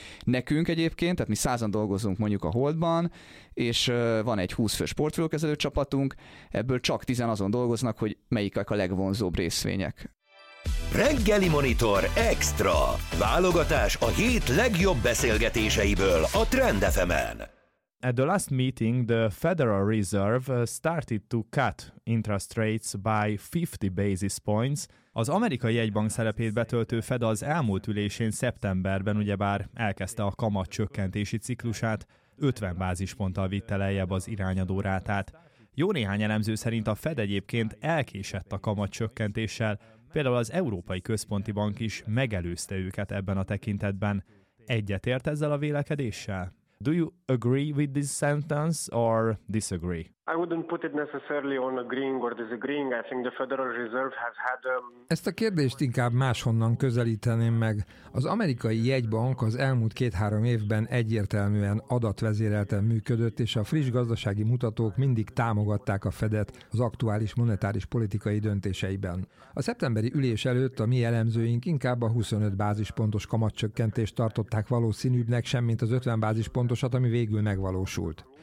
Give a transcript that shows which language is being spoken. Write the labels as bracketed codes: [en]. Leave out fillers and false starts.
[hu] Nekünk egyébként, tehát mi 100-an dolgozunk mondjuk a Holdban, és van egy 20 fős portfóliókezelő csapatunk, ebből csak 10-en azon dolgoznak, hogy melyikek a legvonzóbb részvények. Reggeli Monitor Extra. Válogatás a hét legjobb beszélgetéseiből a Trend FM-en. [en] At the last meeting, the Federal Reserve started to cut interest rates by 50 basis points. [hu] Az amerikai jegybank szerepét betöltő Fed az elmúlt ülésén szeptemberben ugyebár elkezdte a kamat csökkentési ciklusát, 50 bázisponttal vitte lejjebb az irányadó rátát. Jó néhány elemző szerint a Fed egyébként elkésett a kamat csökkentéssel, például az Európai Központi Bank is megelőzte őket ebben a tekintetben. Egyetért ezzel a vélekedéssel? [en] Do you agree with this sentence or disagree? I wouldn't put it necessarily on agreeing or disagreeing. I think the Federal Reserve has had [hu] Ezt a kérdést inkább máshonnan közelíteném meg. Az amerikai jegybank az elmúlt 2-3 évben egyértelműen adatvezérelten működött, és a friss gazdasági mutatók mindig támogatták a Fedet az aktuális monetáris politikai döntéseiben. A szeptemberi ülés előtt a mi elemzőink inkább a 25 bázispontos kamatcsökkentést tartották valószínűbbnek, semmint az 50 bázispontosat, ami végül megvalósult.